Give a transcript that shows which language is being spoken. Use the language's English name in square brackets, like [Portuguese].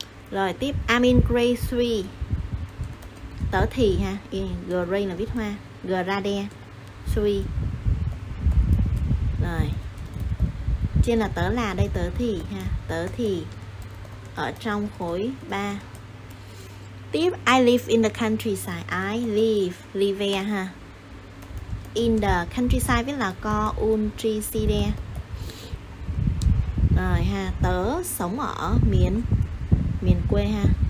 [Vietnamese] Rồi tiếp, [English] I'm in grade 3. [Vietnamese] Tớ thì ha, gray là viết hoa, grade 3. Rồi trên là tớ là, đây tớ thì ha, tớ thì ở trong khối 3. [English] Tiếp, I live in the countryside. I live, live there ha. In the countryside [Vietnamese] viết là [English] countryside. [Vietnamese] Rồi ha, tớ sống ở miền quê ha.